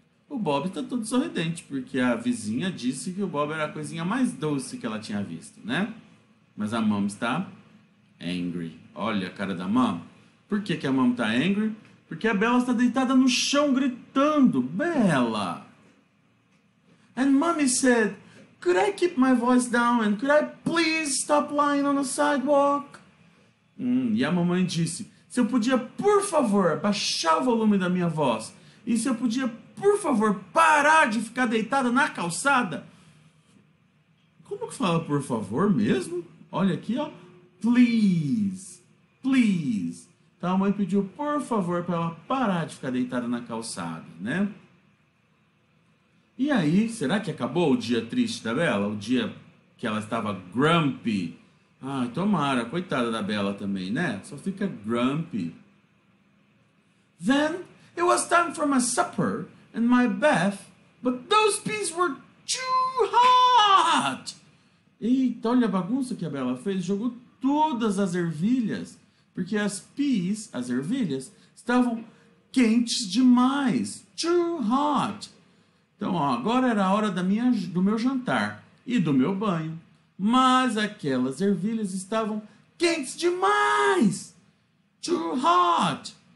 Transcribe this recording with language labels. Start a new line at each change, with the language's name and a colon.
Portuguese: O Bob está todo sorridente, porque a vizinha disse que o Bob era a coisinha mais doce que ela tinha visto, né? Mas a mom está angry. Olha a cara da mom. Por que que a mom está angry? Porque a Bella está deitada no chão gritando, Bella!
English: And mommy said, could I keep my voice down and could I please stop lying on the sidewalk?
Portuguese: E a mamãe disse, se eu podia, por favor, baixar o volume da minha voz. E se eu podia, por favor, parar de ficar deitada na calçada. Como que fala por favor mesmo? Olha aqui, ó. Please, please. Então a mãe pediu, por favor, para ela parar de ficar deitada na calçada, né? E aí, será que acabou o dia triste da Bella? O dia que ela estava grumpy? Ai, tomara, coitada da Bella também, né? Só fica grumpy.
English: Then, it was time for my supper and my bath, but those peas were too hot!
Portuguese: Eita, olha a bagunça que a Bella fez, jogou todas as ervilhas, porque as peas, as ervilhas, estavam quentes demais,
English: too hot.
Portuguese: Então, ó, agora era a hora do meu jantar e do meu banho, mas aquelas ervilhas estavam quentes demais,
English: too hot.